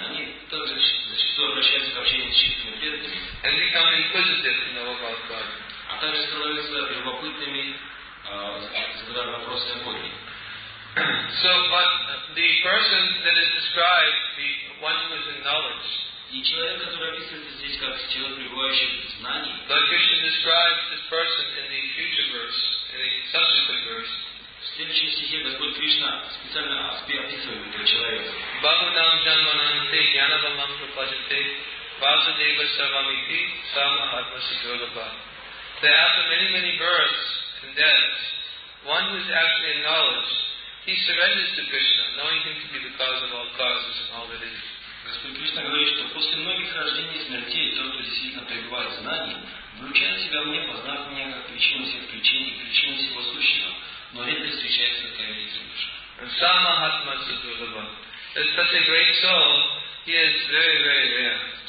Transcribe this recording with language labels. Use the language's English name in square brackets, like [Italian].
[Russian] Они также зачастую обращаются к общению с чистыми преданными. [English] And become inquisitive to know about God. [Russian] А также становятся любопытными, задавая вопросы о Боге. [English] So, but the person that is described, the one who is in knowledge. [Russian] И человек, который описывается здесь как человек, пребывающий в знании. [English] Lord Krishna describes this person in the future verse, in the subsequent verse. [Russian] В следующем стихе Господь Кришна специально описывает этого человека. Бхагаватам Джанмананте Гьянабамам Прападжате Vasudeva Savamiti Samahatma Sigurabha. [English] That after many, many births and deaths, one who is actually in knowledge, he surrenders to Krishna, knowing him to be the cause of all causes and all that is. [Russian] Господь Кришна говорит, что после многих рождений и смертей тот, кто действительно пребывает в знании, вручает себя мне, познав меня как причину всех причин и причину всего сущего, но редко встречается в Таймире Сумбуша. Samahatma Sigurabha. [English] It's such a great soul, he is very, very rare.